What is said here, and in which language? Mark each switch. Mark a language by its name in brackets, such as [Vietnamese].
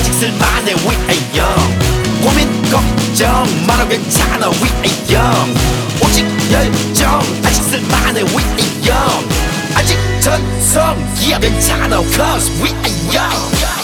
[Korean] 아직 쓸만해 [English] we are young. [Korean] 고민 걱정 말아 괜찮아 [English] we are young. [Korean] 오직 열정 아직 쓸만해 [English] we are young. [Korean] 아직 전성기야 괜찮아 [English] cause we are young.